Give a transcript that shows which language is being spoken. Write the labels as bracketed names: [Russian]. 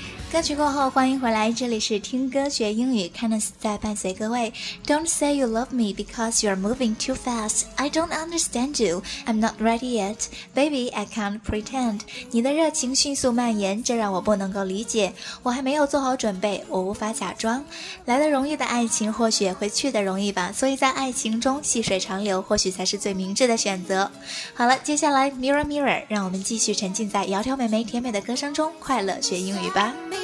[Chinese] 歌曲过后，欢迎回来，这里是听歌学英语 Kenneth 在伴随各位。 [English] Don't say you love me because you're moving too fast. I don't understand you. I'm not ready yet. Baby, I can't pretend. [Chinese] 你的热情迅速蔓延，这让我不能够理解。我还没有做好准备，我无法假装。来得容易的爱情或许也会去得容易吧，所以在爱情中细水长流或许才是最明智的选择。好了，接下来 Mirror Mirror， 让我们继续沉浸在窈窕妹妹甜美的歌声中，快乐学英语吧。